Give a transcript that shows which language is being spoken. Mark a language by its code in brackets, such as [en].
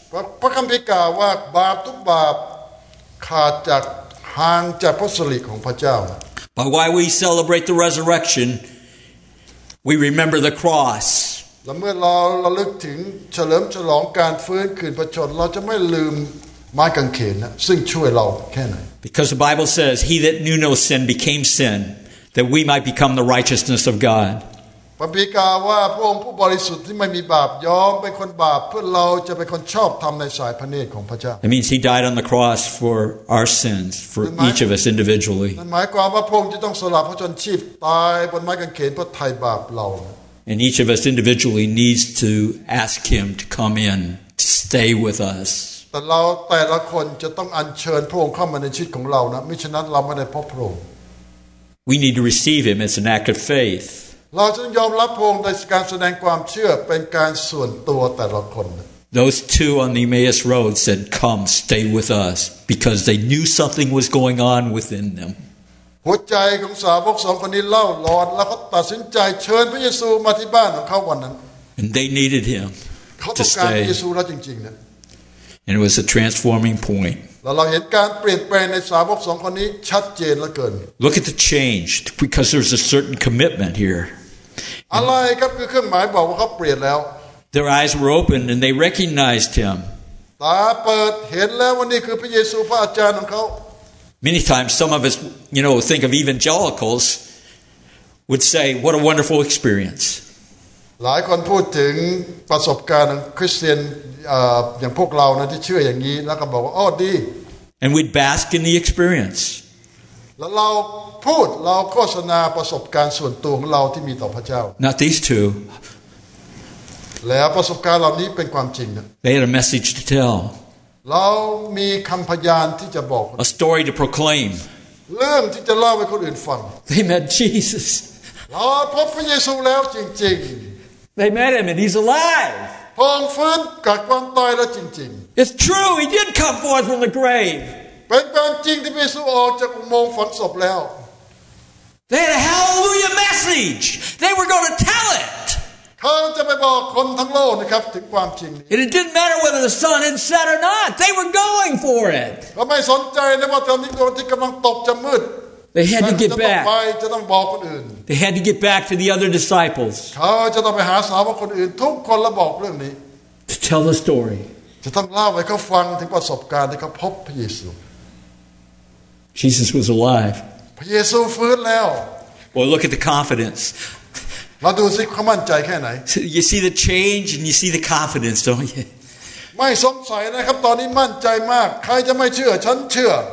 [en] But why we celebrate the resurrection, we remember the cross. Because the Bible says, he that knew no sin became sin, that we might become the righteousness of God. [th] พระบิดาว่าพระองค์ผู้บริสุทธิ์ที่ไม่มีบาปยอมเป็นคนบาปเพื่อเราจะเป็นคนชอบธรรมในสายพระเนตรของพระเจ้า [en] That means he died on the cross for our sins for each of us individually [th] นั่นหมายความว่าพระองค์จะต้องสละพระชนชีพตายบนไม้กางเขนเพื่อไถ่บาปเรา [en] And each of us individually needs to ask him to come in to stay with us [th] แต่เราแต่ละคนจะต้องอัญเชิญพระองค์เข้ามาในชีวิตของเรานะมิฉะนั้นเราไม่ได้พบพระองค์ [en] We need to receive him as an act of faith [th] เราจึงยอมรับพระองค์ในการแสดงความเชื่อเป็นการส่วนตัวแต่ละคน [en] Those two on the Emmaus road said come stay with us because they knew something was going on within them [th] หัวใจของสาวกสองคนนี้เล่าร้อนแล้วก็ตัดสินใจเชิญพระเยซูมาที่บ้านของเขาวันนั้น [en] And they needed him [th] เขาต้องการพระเยซูแล้วจริงๆนะ [en] And it was a transforming point [th] แล้วเราเห็นการเปลี่ยนแปลงในสาวกสองคนนี้ชัดเจนเหลือเกิน [en] Look at the change because there's a certain commitment here [th] อะไรครับคือเครื่องหมายบอกว่าเขาเปลี่ยนแล้ว [en] Their eyes were open and they recognized him [th] ตาเปิดเห็นแล้วว่านี่คือพระเยซูพระอาจารย์ของเขา [en] Many times some of us you know think of evangelicals would say what a wonderful experience [th] หลายคนพูดถึงประสบการณ์ของคริสเตียนอย่างพวกเรานะที่เชื่ออย่างนี้แล้วก็บอกว่าอ้อดี [en] And we'd bask in the experience [th] แล้วเราพูดเราโฆษณาประสบการณ์ส่วนตัวของเราที่มีต่อพระเจ้า [en] Not these two [th] แล้วประสบการณ์เหล่านี้เป็นความจริงนะ [en] They had a message to tell [th] เรามีคำพยานที่จะบอก [en] A story to proclaim [th] เรื่องที่จะเล่าให้คนอื่นฟัง [en] They met Jesus [th] เราพบพระเยซูแล้วจริง [en] ๆ They met him and he's alive [th] พระองค์ฟื้นจากความตายแล้วจริง [en] ๆ It's true he did come forth from the grave [th] เป็นความจริงที่พระเยซูออกจากอุโมงค์ฝังศพแล้ว [en] They had a hallelujah message. They were going to tell it. [th] เขาจะไปบอกคนทั้งโลกนะครับถึงความจริงนี้ [en] And it didn't matter whether the sun had set or not. They were going for it. [th] เขาไม่สนใจนะว่าตอนนี้ดวงอาทิตย์กำลังตกจะมืด [en] They had to get back. [th] จะต้องบอกคนอื่น [en] They had to get back to the other disciples. [th] เขาจะต้องไปหาสาวกคนอื่นทุกคนแล้วบอกเรื่องนี้ [en] To tell the story. [th] จะต้องเล่าให้เขาฟังถึงประสบการณ์ที่เขาพบพระเยซู [en] Jesus was alive. [th] พระเยซูฟื้นแล้ว [en] Well, look at the confidence. [th] เราดูสิเขามั่นใจแค่ไหน [en] You see the change and you see the confidence, don't you? [th] ไม่สงสัยนะครับตอนนี้มั่นใจมากใครจะไม่เชื่อฉันเชื่อ